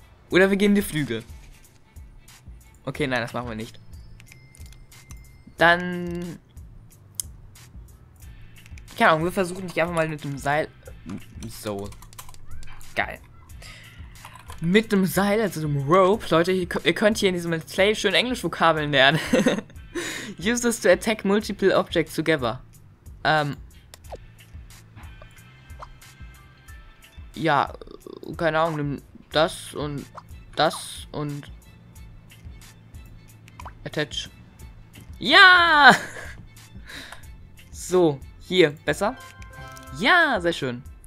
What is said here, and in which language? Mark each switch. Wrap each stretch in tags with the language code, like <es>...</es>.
<de>Oder wir gehen in die Flügel. Okay, nein, das machen wir nicht. Dann... Keine Ahnung, wir versuchen dich einfach mal mit dem Seil... So. Geil. Mit dem Seil, also dem Rope. Leute, ihr könnt hier in diesem Play schön Englisch-Vokabeln lernen.</de> <en>Use this to attack multiple objects together.</en> <de>Ja, keine Ahnung, nimm das und das und... Attach. Ja! So, hier, besser? Ja, sehr schön.</de>